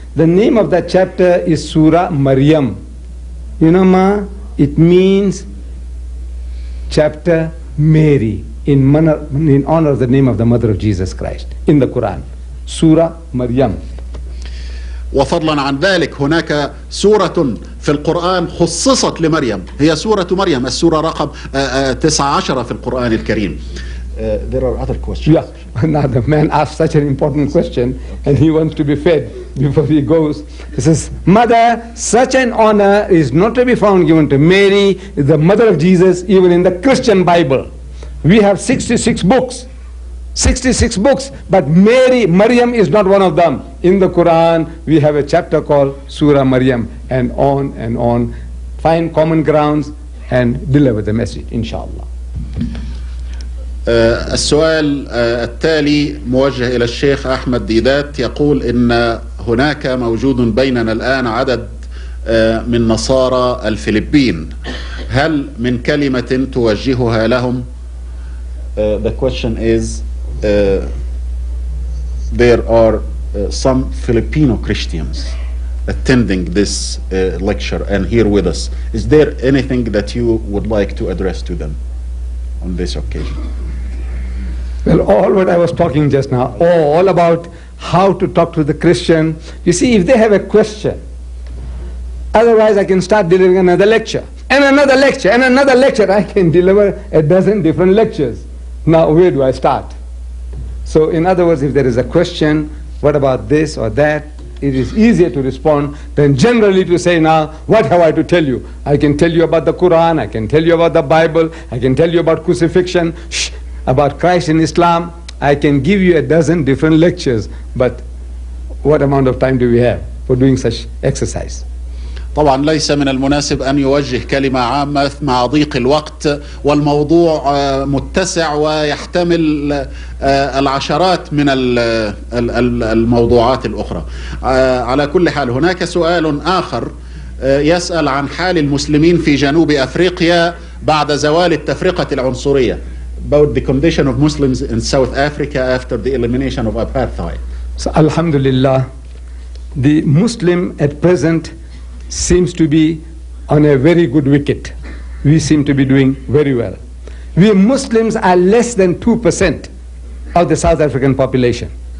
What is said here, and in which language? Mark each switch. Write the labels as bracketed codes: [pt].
[en] The name of that chapter is Surah Maryam. You know, Ma, it means chapter Mary, in honor of the name of the mother of Jesus Christ in the Quran. Surah Maryam. [ar] وفضلا عن ذلك هناك سورة في القرآن خصصت لمريم، هي سورة مريم، السورة رقم 19 في القرآن الكريم. [en] There are other questions. Yeah. Now the man asked such an important question, and he wants to be fed before he goes. He says, Mother, such an honor is not to be found given to Mary, the mother of Jesus, even in the Christian Bible. We have 66 books. 66 books, but Maryam is not one of them. In the Quran, we have a chapter called Surah Maryam, and on, find common grounds and deliver the message, inshallah. [ar] السؤال التالي موجه إلى الشيخ أحمد ديدات، يقول إن هناك موجود بيننا الآن عدد من نصارى الفلبين، هل من كلمة توجهها لهم؟ [en] The question is, there are some Filipino Christians attending this lecture and here with us. Is there anything that you would like to address to them on this occasion? Well, all what I was talking just now, all about how to talk to the Christian. You see, if they have a question, otherwise I can start delivering another lecture, and another lecture, and another lecture. I can deliver a dozen different lectures. Now, where do I start? So, in other words, if there is a question, what about this or that, it is easier to respond than generally to say, now, what have I to tell you? I can tell you about the Quran, I can tell you about the Bible, I can tell you about crucifixion, about Christ in Islam, I can give you a dozen different lectures, but what amount of time do we have for doing such exercise? [ar] طبعا ليس من المناسب أن يوجه كلمة عامة مع ضيق الوقت، والموضوع متسع ويحتمل العشرات من الموضوعات الأخرى. على كل حال، هناك سؤال آخر يسأل عن حال المسلمين في جنوب أفريقيا بعد زوال التفرقة العنصرية. [en] About the condition of Muslims in South Africa after the elimination of apartheid. So, alhamdulillah, the Muslim at present seems to be on a very good wicket. We seem to be doing very well. We Muslims are less than 2% of the South African population.